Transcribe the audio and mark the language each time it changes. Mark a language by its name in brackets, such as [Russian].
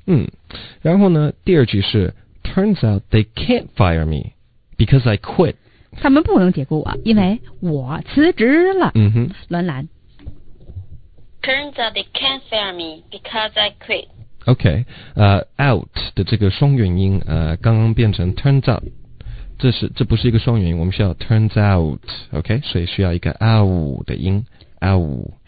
[Chinese] 嗯，然后呢，第二句是 [English] Turns out they can't fire me because I quit. [Chinese] 他们不能解雇我，因为我辞职了。嗯哼，栾兰。 [English] Turns out they can't fire me because I quit. [Chinese] Okay, out 的这个双元音，刚刚变成 turns out， 这不是一个双元音，我们需要 turns out， OK， 所以需要一个 out 的音， out。